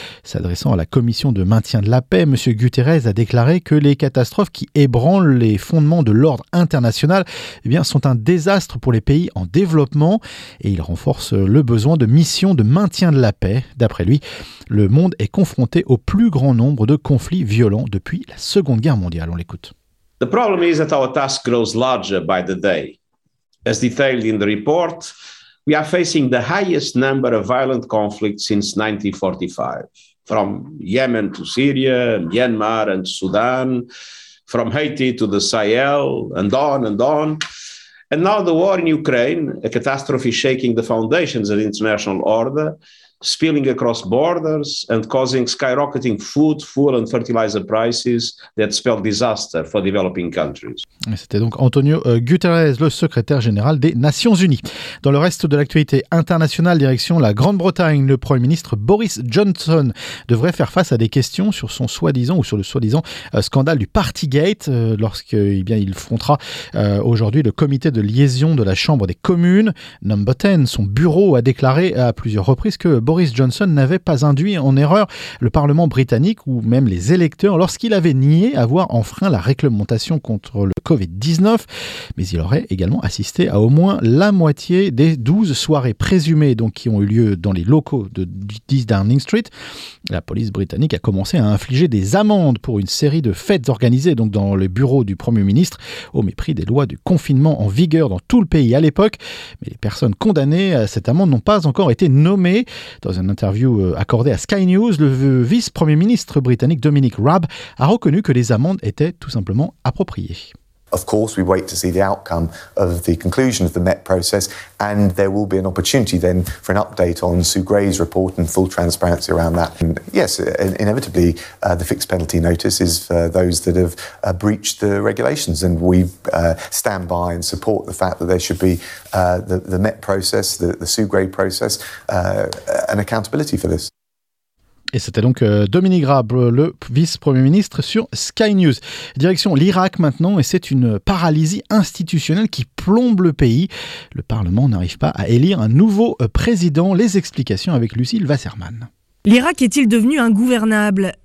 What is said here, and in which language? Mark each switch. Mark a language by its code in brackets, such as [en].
[fr] S'adressant à la commission de maintien de la paix, M. Guterres a déclaré que les catastrophes qui ébranlent les fondements de l'ordre international sont un désastre pour les pays en développement, et il renforce le besoin de missions de maintien de la paix. D'après lui, le monde est confronté au plus grand nombre de conflits violents depuis la Seconde Guerre mondiale. On l'écoute. [en] The problem is that our task grows larger by the day. As detailed in the report, we are facing the highest number of violent conflicts since 1945, from Yemen to Syria, Myanmar and Sudan, from Haiti to the Sahel, and on and on. And now the war in Ukraine, a catastrophe shaking the foundations of international order, spilling across borders and causing skyrocketing food, fuel and fertilizer prices that spell disaster for developing countries. [fr] C'était donc Antonio Guterres, le secrétaire général des Nations Unies. Dans le reste de l'actualité internationale, direction la Grande-Bretagne, le Premier ministre Boris Johnson devrait faire face à des questions sur son soi-disant scandale du Partygate lorsqu'il frontera aujourd'hui le comité de liaison de la Chambre des communes. Number 10, son bureau a déclaré à plusieurs reprises que Boris Johnson n'avait pas induit en erreur le Parlement britannique ou même les électeurs lorsqu'il avait nié avoir enfreint la réglementation contre le Covid-19, mais il aurait également assisté à au moins la moitié des 12 soirées présumées qui ont eu lieu dans les locaux de 10 Downing Street. La police britannique a commencé à infliger des amendes pour une série de fêtes organisées dans le bureau du Premier ministre au mépris des lois du confinement en vigueur dans tout le pays à l'époque, mais les personnes condamnées à cette amende n'ont pas encore été nommées. Dans une interview accordée à Sky News, le vice-premier ministre britannique Dominic Raab a reconnu que les amendes étaient tout simplement appropriées. [en] Of course, we wait to see the outcome of the conclusion of the Met process, and there will be an opportunity then for an update on Sue Gray's report and full transparency around that. And yes, inevitably, the fixed penalty notice is for those that have breached the regulations, and we stand by and support the fact that there should be the Met process, the Sue Gray process, an accountability for this. [fr] Et c'était donc Dominique Raab, le vice-premier ministre, sur Sky News. Direction l'Irak maintenant, et c'est une paralysie institutionnelle qui plombe le pays. Le Parlement n'arrive pas à élire un nouveau président. Les explications avec Lucille Wasserman. L'Irak est-il devenu ingouvernable ?